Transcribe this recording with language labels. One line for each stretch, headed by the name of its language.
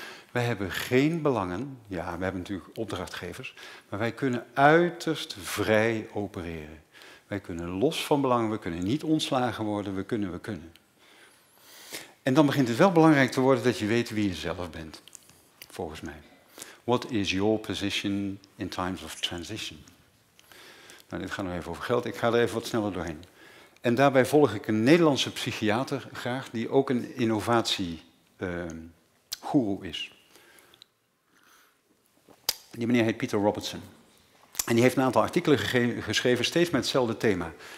Dutch: Wij hebben geen belangen, ja, we hebben natuurlijk opdrachtgevers, maar wij kunnen uiterst vrij opereren. Wij kunnen los van belangen, we kunnen niet ontslagen worden, we kunnen. En dan begint het wel belangrijk te worden dat je weet wie je zelf bent, volgens mij.
English: What is your position in times of transition?
Dutch: Nou, dit gaat nog even over geld, ik ga er even wat sneller doorheen. En daarbij volg ik een Nederlandse psychiater graag, die ook een innovatie-goeroe is. Die meneer heet Peter Robertson. En die heeft een aantal artikelen geschreven, steeds met hetzelfde thema.